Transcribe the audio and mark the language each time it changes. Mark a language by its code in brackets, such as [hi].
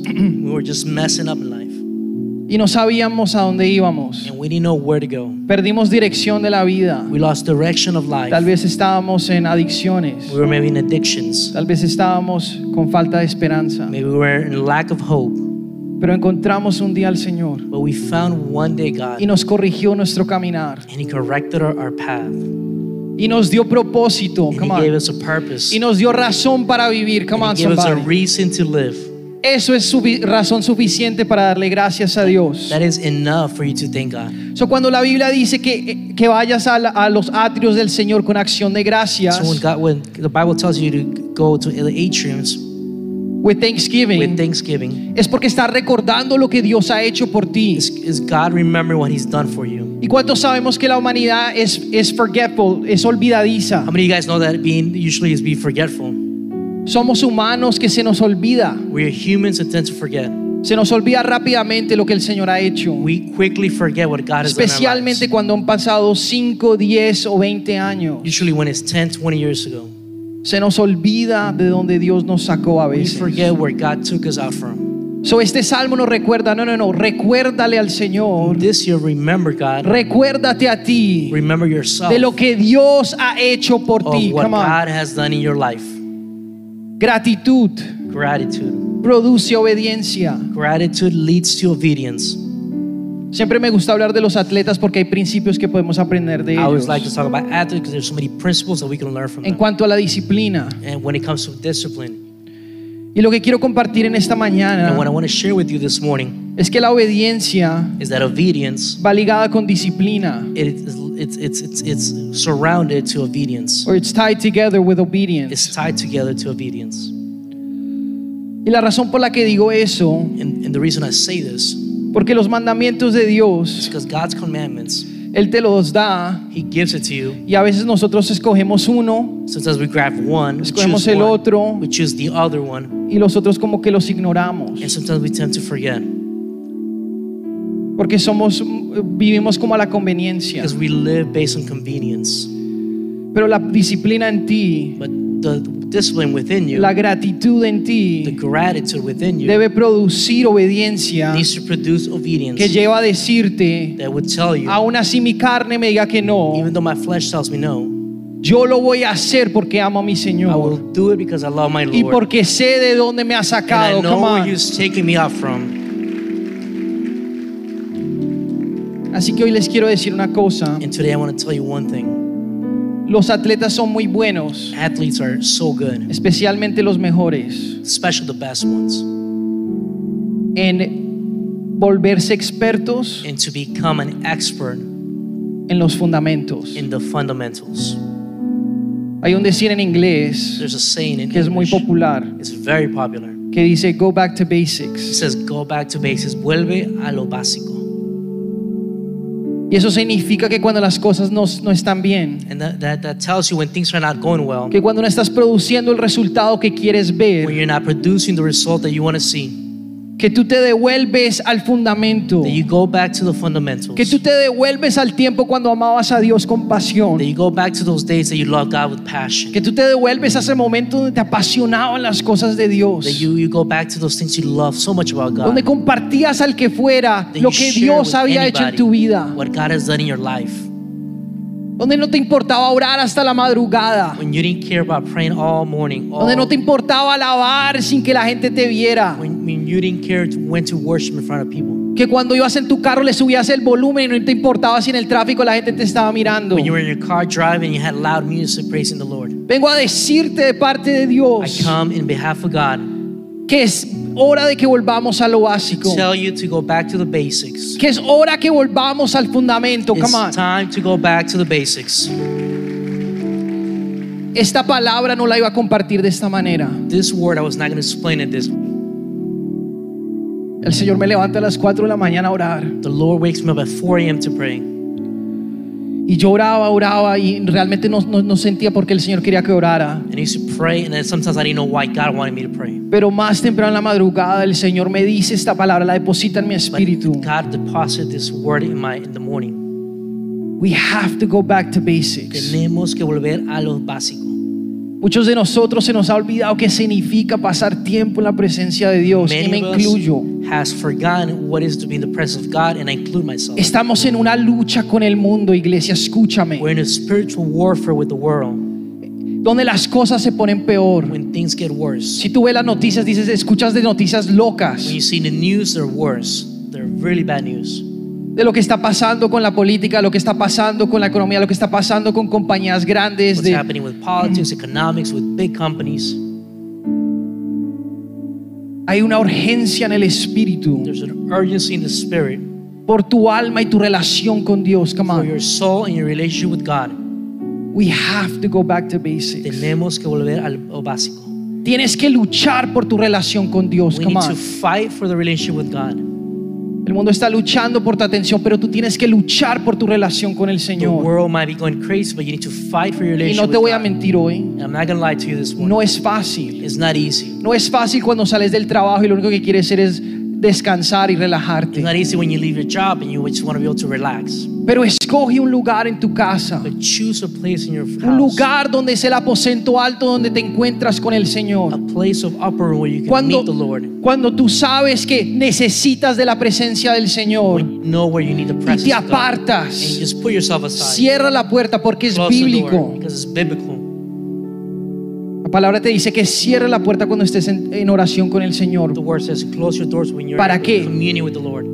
[en] We were just messing up in life. [es] Y no sabíamos a dónde íbamos. [en] And we didn't know where to go. [es] Perdimos dirección de la vida. [en] We lost direction of life. [es] Tal vez estábamos en adicciones. [en] We were maybe in addictions. [es] Tal vez estábamos con falta de esperanza. [en] Maybe we were in lack of hope. [es] Pero encontramos un día al Señor. [en] But we found one day God. [es] Y nos corrigió nuestro caminar. [en] And He corrected our path. [es] Y nos dio propósito, [en] come on. Gave us a purpose. [es] Y nos dio razón para vivir, [en] come on, somebody. Gave us a reason to live. [es] Eso es razón suficiente para darle gracias a Dios. [en] That is enough for you to thank God. [es] So cuando la Biblia dice que vayas a los atrios del Señor con acción de gracias, [en] so when the Bible tells you to go to the atriums with thanksgiving, [es] es porque está recordando lo que Dios ha hecho por ti. [en] Is God remembering what He's done for you? [es] ¿Y cuántos sabemos que la humanidad es forgetful, es olvidadiza? [en] How many of you guys know that being usually is be forgetful? [es] Somos humanos que se nos olvida. [en] We are humans that tend to forget. [es] Se nos olvida rápidamente lo que el Señor ha hecho. [en] We quickly forget what God has done. [es] Especialmente cuando han pasado 5, 10 o 20 años. [en] Usually when it's 10, 20 years ago. [es] Se nos olvida de donde Dios nos sacó a veces. [en] We forget where God took us out from. [es] So este salmo nos recuerda, no, recuérdale al Señor. [en] This year, remember God. [es] Recuérdate a ti. [en] Remember yourself. [es] De lo que Dios ha hecho por ti. [en] Of what God has done in your life. [es] Gratitud. [en] Gratitude. [es] Produce obediencia. [en] Gratitude leads to obedience. [es] Siempre me gusta hablar de los atletas porque hay principios que podemos aprender de ellos. [en] I always like to talk about athletes because there's so many principles that we can learn from them. [es] En cuanto a la disciplina. [en] And when it comes to discipline. [es] Y lo que quiero compartir en esta mañana, [en] and what I want to share with you this morning, [es] es que la obediencia [en] is that obedience [es] va ligada con disciplina. [en] It's surrounded to obedience. Or it's tied together with obedience. It's tied together to obedience. [es] Y la razón por la que digo eso, [en] and the reason I say this, [es] porque los mandamientos de Dios, [en] is because God's commandments, [es] Él te los da, [en] He gives it to you. [es] Y a veces nosotros escogemos uno, [en] sometimes we grab one, [es] escogemos el otro, [en] we choose the other one, [es] y los otros como que los ignoramos. [en] And sometimes we tend to forget. [es] Porque somos, vivimos como a la conveniencia. [en] Because we live based on convenience. [es] Pero la disciplina en ti, [en] but the discipline within you, [es] la gratitud en ti, [en] the gratitude within you, [es] debe producir obediencia, [en] needs to produce obedience, [es] que lleva a decirte, [en] that would tell you, [es] aun así mi carne me diga que no, [en] even though my flesh tells me no, [es] yo lo voy a hacer porque amo a mi Señor, [en] I will do it because I love my Lord, [es] y porque sé de dónde me ha sacado, [en] and I know come on, where he's taking me out from. [es] Así que hoy les quiero decir una cosa, [en] and today I want to tell you one thing. [es] Los atletas son muy buenos. [en] Athletes are so good. [es] Especialmente los mejores. [en] Especially the best ones. [es] En volverse expertos. [en] And to become an expert. [es] En los fundamentos. [en] In the fundamentals. [es] Hay un decir en inglés. [en] There's a saying in [es] que [en] English. [es] Es muy popular. [en] It's very popular. [es] Que dice, [en] go back to basics. It says, go back to basics. [es] Vuelve a lo básico. Y eso significa que cuando las cosas no están bien, [en] and that tells you when things are not going well, [es] que cuando no estás produciendo el resultado que quieres ver, [en] when you're not producing the result that you want to see, [es] que tú te devuelves al fundamento, [en] that you go back to the fundamentals, [es] que tú te devuelves al tiempo cuando amabas a Dios con pasión, [en] that you go back to those days that you loved God with passion, [es] que tú te devuelves a ese momento donde te apasionaban las cosas de Dios, [en] that you go back to those things you loved so much about God, [es] donde compartías al que fuera lo que Dios había hecho en tu vida, [en] what God has done in your life, [es] donde no te importaba orar hasta la madrugada, [en] when you didn't care about praying all morning, all, [es] donde no te importaba alabar sin que la gente te viera, [en] when you didn't care to, when to worship in front of people, [es] que cuando ibas en tu carro le subías el volumen y no te importaba si en el tráfico la gente te estaba mirando, [en] when you were in your car driving you had loud music praising the Lord. [es] Vengo a decirte de parte de Dios, [en] I come in behalf of God, [es] que es hora de que volvamos a lo básico. [en] Tell you to go back to the basics. [es] Que es hora que volvamos al fundamento. [en] Come on. It's time to go back to the basics. [es] Esta palabra no la iba a compartir de esta manera. [en] This word I was not going to explain it this. [es] El Señor me levanta a las 4 de la mañana a orar. [en] The Lord wakes me up at 4 a.m. to pray. [es] Y yo oraba y realmente no sentía por qué el Señor quería que orara. [en] And I used to pray, and then sometimes I didn't know why God wanted me to pray. [es] Pero más temprano en la madrugada el Señor me dice esta palabra, la deposita en mi espíritu. [en] But God deposited this word in the morning. We have to go back to basics. [es] Tenemos que volver a lo básico. Muchos de nosotros se nos ha olvidado qué significa pasar tiempo en la presencia de Dios. [en] Many [es] y me incluyo. [en] Has forgotten what it is to be in the presence of God, and I include myself. [es] Estamos en una lucha con el mundo, iglesia, escúchame. [en] We're in a spiritual warfare with the world. [es] Donde las cosas se ponen peor. [en] When things get worse. [es] Si tú ves las noticias, dices, escuchas de noticias locas. [en] When you see the news, they're worse. They're really bad news. [es] De lo que está pasando con la política, lo que está pasando con la economía, lo que está pasando con compañías grandes. [en] What's happening with politics, economics, with big companies. [es] Hay una urgencia en el espíritu. [en] There's an urgency in the spirit. [es] Por tu alma y tu relación con Dios. [en] Come on. For your soul and your relationship with God. We have to go back to basics. [es] Tenemos que volver al básico. Tienes que luchar por tu relación con Dios. [en] We come need on. To fight for the relationship with God. [es] El mundo está luchando por tu atención, pero tú tienes que luchar por tu relación con el Señor. [en] The world might be going crazy, but you need to fight for your relationship. [es] Y no te voy a mentir hoy. [en] I'm not going to lie to you this morning. [es] No es fácil. [en] It's not easy. [es] No es fácil cuando sales del trabajo y lo único que quieres hacer es descansar y relajarte. [en] It's not easy when you leave your job and you just want to be able to relax. [es] Pero escoge un lugar en tu casa. [en] But choose a place in your house. [es] Un lugar donde es el aposento alto donde te encuentras con el Señor. [en] A place of upper room where you can meet the Lord. [es] Cuando tú sabes que necesitas de la presencia del Señor. [en] When you know where you need the presence of God. [es] Y te apartas. [en] And you just put yourself aside. [es] Cierra la puerta porque [en] close [es] es bíblico. [en] The door because it's biblical. [es] La palabra te dice que cierre la puerta cuando estés en oración con el Señor. [en] The word says, close your doors when you're [es] ¿para qué? [en] Communion with the Lord.